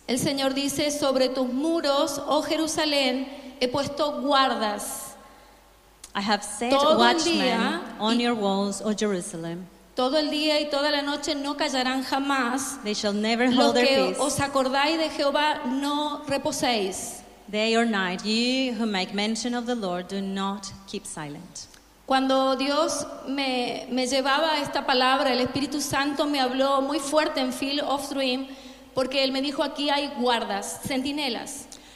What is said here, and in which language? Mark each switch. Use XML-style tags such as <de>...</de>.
<es>El Señor dice, sobre tus muros, oh Jerusalén, he puesto guardas.</es> <en>I have set watchmen on your walls, oh Jerusalem.</en> <es>Todo el día y toda la noche no callarán jamás.</es> <en>They shall never hold their peace.</en> <es>Lo que os acordáis de Jehová no reposéis.</es> <en>Day or night, you who make mention of the Lord, do not keep silent.</en> <es>Cuando Dios me llevaba esta palabra, el Espíritu Santo me habló muy fuerte en Field of Dream, porque él me dijo aquí hay guardas, centinelas.</es>